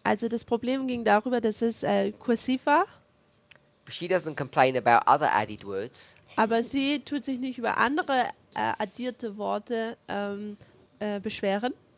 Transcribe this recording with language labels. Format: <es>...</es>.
<de>Also das Problem ging darüber, dass es kursiv war.</de> <en>But she doesn't complain about other added words.</en> <de>Aber sie tut sich nicht über andere addierte Worte beschweren.</de>